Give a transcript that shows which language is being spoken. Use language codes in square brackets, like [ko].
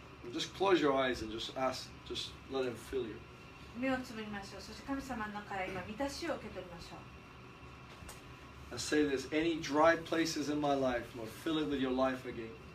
[en] Just close your eyes and just ask, just let Him fill you. [ja] 目をつぶりましょう。そして神様の中から今満たしを受け取りましょう。 [en] I say this, any dry places in my life, Lord, fill it with your life again.